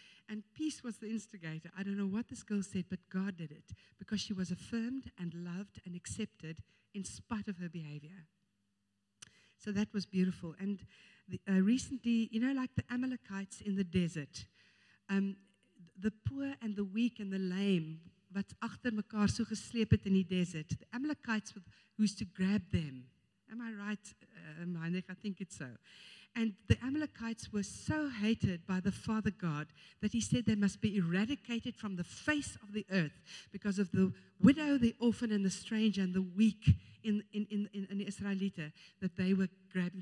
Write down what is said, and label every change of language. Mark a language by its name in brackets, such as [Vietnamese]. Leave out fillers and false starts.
[English] And Peace was the instigator. I don't know what this girl said, but God did it because she was affirmed and loved and accepted in spite of her behavior. So that was beautiful. And recently, you know, like the Amalekites in the desert, the poor and the weak and the lame [Afrikaans] wat agter mekaar so gesleep het in die desert. [English] The Amalekites who used to grab them. Am I right, Meinig? I think it's so. And the Amalekites were so hated by the Father God that he said they must be eradicated from the face of the earth because of the widow, the orphan, and the stranger, and the weak in the Israelita that they were grabbing.